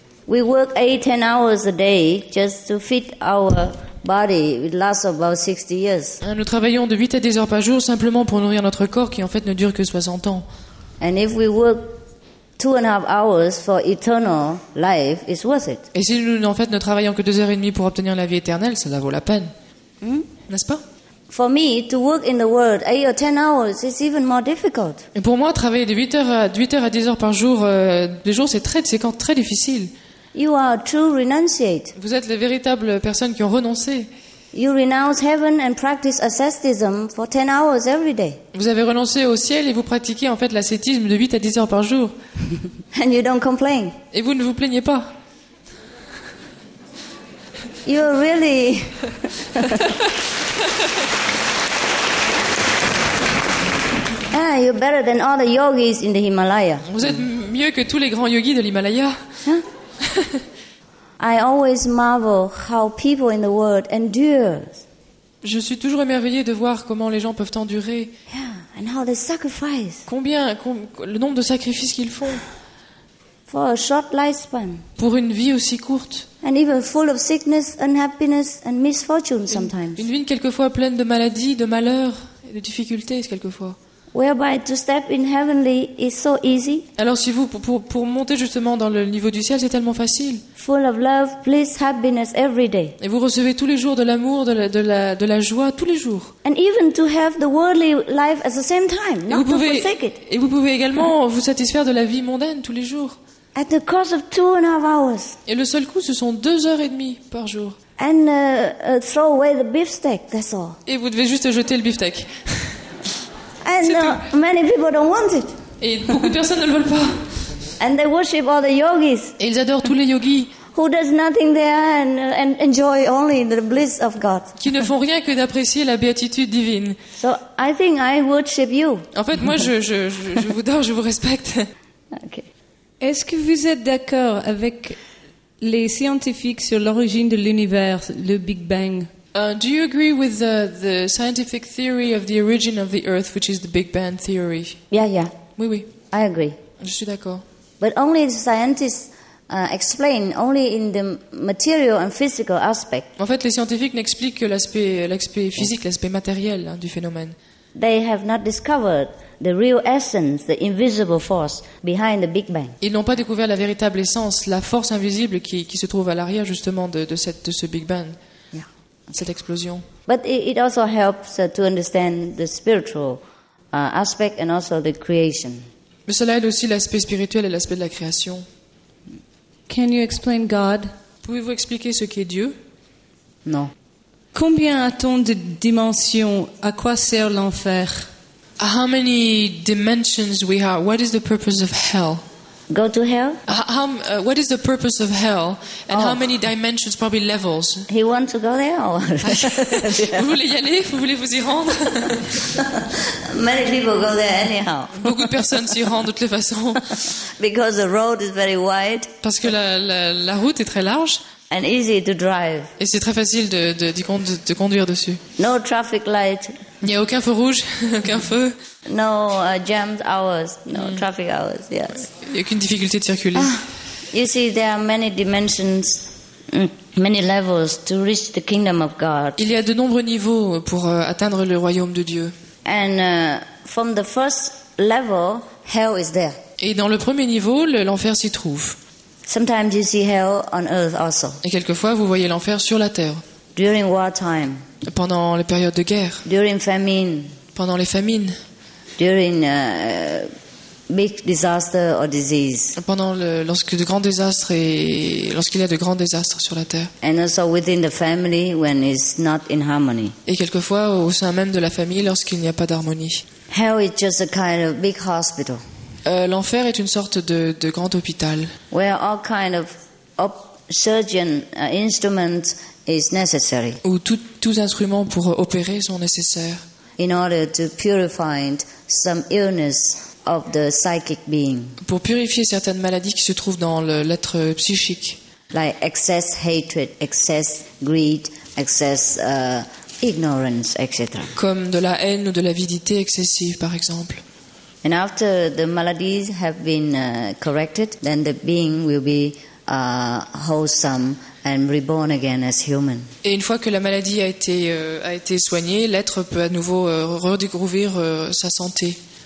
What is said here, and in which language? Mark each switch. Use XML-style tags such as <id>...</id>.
<en>We work 8-10 hours a day just to fit our body. It lasts about 60 years.</en> <fr>Nous travaillons de 8 à 10 heures par jour simplement pour nourrir notre corps qui en fait ne dure que 60 ans.</fr> <en>And if we work 2.5 hours for eternal life is worth it.</en> <fr>Et si nous en fait ne travaillons que 2 heures et demie pour obtenir la vie éternelle, ça la vaut la peine, n'est-ce pas?</fr> <en>For me to work in the world 8 or 10 hours is even more difficult.</en> <fr>Et pour moi, travailler de 8 heures à 10 heures par jour, des jours, c'est très difficile.</fr> <en>You are true renunciate.</en> <fr>Vous êtes les véritables personnes qui ont renoncé.</fr> <en>You renounce heaven and practice asceticism for 10 hours every day.</en> <fr>Vous avez renoncé au ciel et vous pratiquez en fait l'ascétisme de 8 à 10 heures par jour.</fr> <en>And you don't complain.</en> <fr>Et vous ne vous plaignez pas.</fr> <en>You are really you're better than all the yogis in the Himalaya.</en> <fr>Vous êtes mieux que tous les grands yogis de l'Himalaya. Huh?</fr> <en>I always marvel how people in the world endure.</en> <fr>Je suis toujours émerveillée de voir comment les gens peuvent endurer.</fr> <en>Yeah, and how they sacrifice.</en> <fr>Le nombre de sacrifices qu'ils font.</fr> <en>For a short lifespan.</en> <fr>Pour une vie aussi courte.</fr> <en>And even full of sickness, unhappiness, and misfortune sometimes.</en> <fr>Une vie quelquefois pleine de maladies, de malheurs, de difficultés quelquefois.</fr> <en>Whereby to step in heavenly is so easy.</en> <fr>Alors si vous pour monter justement dans le niveau du ciel, c'est tellement facile.</fr> <en>Full of love, bliss, happiness every day.</en> <fr>Et vous recevez tous les jours de l'amour, de la joie tous les jours.</fr> <en>And even to have the worldly life at the same time, not to forsake it.</en> <fr>Et vous pouvez également vous satisfaire de la vie mondaine tous les jours.</fr> <en>At the cost of 2.5 hours.</en> <fr>Et le seul coût, ce sont 2 heures et demie par jour.</fr> <en>And throw away the beefsteak, that's all.</en> <fr>Et vous devez juste jeter le beefsteak.</fr> <en>And many people don't want it.</en> <fr>Et beaucoup de personnes ne le veulent pas.</fr> <en>And they worship all the yogis.</en> <fr>Et ils adorent tous les yogis.</fr> <en>Who does nothing there and enjoy only the bliss of God.</en> <fr>Qui ne font rien que d'apprécier la béatitude divine.</fr> <en>So I think I worship you.</en> <fr>En fait, moi, je vous adore, je vous respecte.</fr> <en>Okay.</en> <fr>Est-ce que vous êtes d'accord avec les scientifiques sur l'origine de l'univers, le Big Bang?</fr> <en>Do you agree with the scientific theory of the origin of the Earth, which is the Big Bang theory? Yeah, yeah.</en> <fr>Oui, oui.</fr> <en>I agree.</en> <fr>Je suis d'accord.</fr> <en>But only the scientists explain only in the material and physical aspect.</en> <fr>En fait, les scientifiques n'expliquent que l'aspect physique, l'aspect matériel du phénomène.</fr> <en>They have not discovered the real essence, the invisible force behind the Big Bang.</en> <fr>Ils n'ont pas découvert la véritable essence, la force invisible qui se trouve à l'arrière justement de ce Big Bang. Cette explosion.</fr> <en>But it also helps to understand the spiritual aspect and also the creation.</en> <fr>Mais cela aide aussi l'aspect spirituel et l'aspect de la création.</fr> <en>Can you explain God?</en> <fr>Pouvez-vous expliquer ce qu'est Dieu? Non. Combien a-t-on de dimensions? À quoi sert l'enfer?</fr> <en>How many dimensions we have? What is the purpose of hell? Go to hell? What is the purpose of hell? And how many dimensions, probably levels? He wants to go there or what?</en> <fr>Vous voulez y aller? Vous voulez vous y rendre?</fr> <en>Many people go there anyhow.</en> <fr>Beaucoup de personnes s'y rendent de toutes les façons.</fr> <en>Because the road is very wide.</en> <fr>Parce que la route est très large.</fr> <en>And easy to drive.</en> <fr>Et c'est très facile de conduire dessus.</fr> <en>No traffic light.</en> <fr>Il n'y a aucun feu rouge, aucun feu.</fr> <en>No jammed hours, no traffic hours, yes.</en> <fr>Il n'y a aucune difficulté de circuler.</fr> <en>You see, there are many dimensions, many levels to reach the kingdom of God.</en> <fr>Il y a de nombreux niveaux pour atteindre le royaume de Dieu.</fr> <en>And from the first level, hell is there.</en> <fr>Et dans le premier niveau, l'enfer s'y trouve.</fr> <en>Sometimes you see hell on earth also.</en> <fr>Et quelquefois, vous voyez l'enfer sur la terre.</fr> <en>During wartime.</en> <fr>Pendant les périodes de guerre.</fr> <en>During famine.</en> <fr>Pendant les famines.</fr> <en>During big disaster or disease.</en> <fr>Pendant lorsqu'il y a de grands désastres sur la terre.</fr> <en>And also within the family when it's not in harmony.</en> <fr>Et quelquefois au sein même de la famille lorsqu'il n'y a pas d'harmonie.</fr> <en>Hell is just a kind of big hospital.</en> <fr>L'enfer est une sorte de grand hôpital.</fr> <en>Where all kind of surgeon instruments. Is necessary.</en> <fr>Où tous instruments pour opérer sont nécessaires.</fr> <en>In order to purify some illness of the psychic being.</en> <fr>Pour purifier certaines maladies qui se trouvent dans l'être psychique.</fr> <en>Like excess hatred, excess greed, excess ignorance, etc.</en> <fr>Comme de la haine ou de l'avidité excessive, par exemple.</fr> <en>And after the maladies have been corrected, then the being will be wholesome. And reborn again as human.</en> <fr>Et une fois que la maladie a été soignée, l'être peut à nouveau redécouvrir sa santé.</fr>